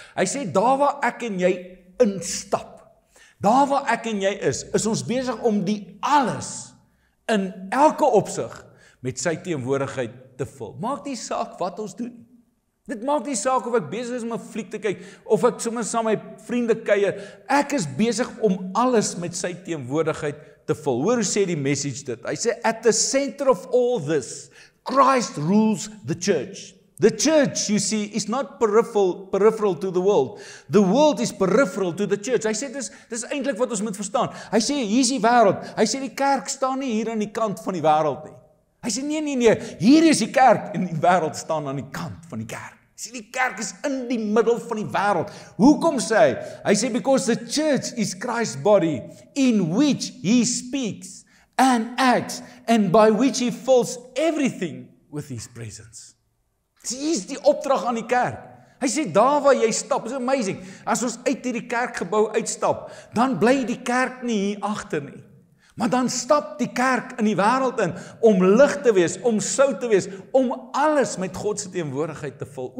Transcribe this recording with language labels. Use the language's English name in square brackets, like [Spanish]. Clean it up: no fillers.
[Afrikaans] Hy sê, daar waar ek en jy instap, daar waar ek en jy is, is ons besig om die alles in elke opsig met sy teenwoordigheid te vul. Maak die saak wat ons doen. Dit maak nie saak of ek bezig is om 'n fliek te kyk, of ek sommer saam my vriende kuier. Ek is bezig om alles met sy teenwoordigheid te vul. Hoor hoe sê die message dit? Hy sê, [English] at the center of all this, Christ rules the church. The church, you see, is not peripheral to the world. The world is peripheral to the church. [Afrikaans] Hy sê, dis eintlik wat ons moet verstaan. Hy sê, hier is die wereld. Hy sê, die kerk staan nie hier aan die kant van die wereld nie. Hy sê, nee, hier is die kerk en die wereld staan aan die kant van die kerk. Hy sê, die kerk is in die middel van die wereld. Hoekom sê hy? Hy sê, [English] because the church is Christ's body in which he speaks and acts and by which he fills everything with his presence. [Afrikaans] Dis die opdrag aan die kerk. Hy sê, daar waar jy stap, is amazing. As ons uit hierdie kerkgebou uitstap, dan bly die kerk nie hier agter nie. Maar dan stap die kerk in die wereld in, om lig te wees, om sout te wees, om alles met Godse teenwoordigheid te vul.